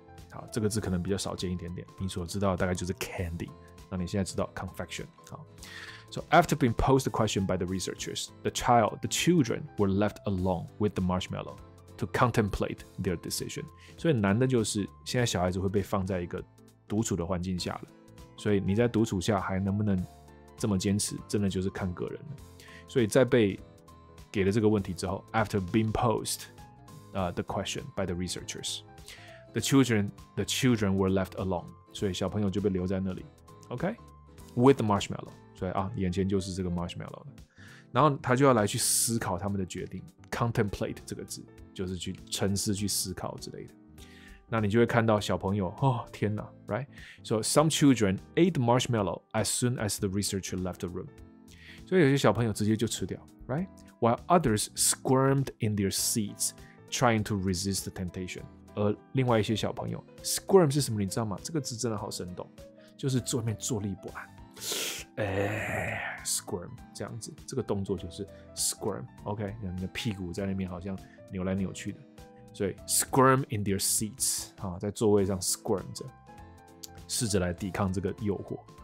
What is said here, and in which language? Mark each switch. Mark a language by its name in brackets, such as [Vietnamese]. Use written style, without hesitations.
[Chinese] 好，这个字可能比较少见一点点，你所知道的大概就是 candy。那你现在知道 confection。好。 [English] So after being posed the question by the researchers, the children were left alone with the marshmallow to contemplate their decision. [Chinese] 所以难的就是现在小孩子会被放在一个独处的环境下了。所以你在独处下还能不能这么坚持，真的就是看个人了。所以在被给了这个问题之后 ， [English] after being posed, the question by the researchers, the children were left alone. [Chinese] 所以小朋友就被留在那里 ， [English] OK, with the marshmallow. [Chinese] 所以啊，眼前就是这个 marshmallow 了。然后他就要来去思考他们的决定 ，contemplate 这个字就是去沉思、去思考之类的。那你就会看到小朋友，哦，天哪 ，right? [English] So some children ate the marshmallow as soon as the researcher left the room. [Chinese] 所以有些小朋友直接就吃掉 ，right? [English] While others squirmed in their seats, trying to resist the temptation. [Chinese] 而另外一些小朋友 squirm 是什么？你知道吗？这个字真的好生动，就是坐在那边坐立不安。 squirm 这样子，这个动作就是 squirm. OK, 你的屁股在那边好像扭来扭去的，所以 [English] squirm in their seats [Chinese] 啊，在座位上 squirm 着，试着来抵抗这个诱惑。